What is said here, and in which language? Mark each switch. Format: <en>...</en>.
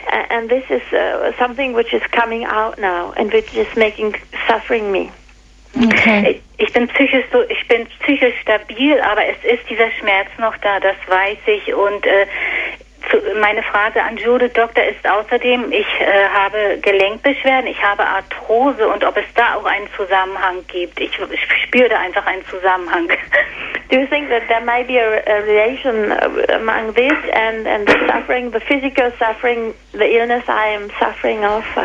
<en>And this is something which is coming out now and which is making suffering me. Okay.</en> <de>Ich bin psychisch stabil, aber es ist dieser Schmerz noch da, das weiß ich. Und meine Frage an Judith Doktor ist außerdem, ich habe Gelenkbeschwerden, ich habe Arthrose und ob es da auch einen Zusammenhang gibt. Ich spüre da einfach einen Zusammenhang.</de> <en>Do you think that there might be a relation among this and the suffering, the physical suffering, the illness I am suffering of?</en>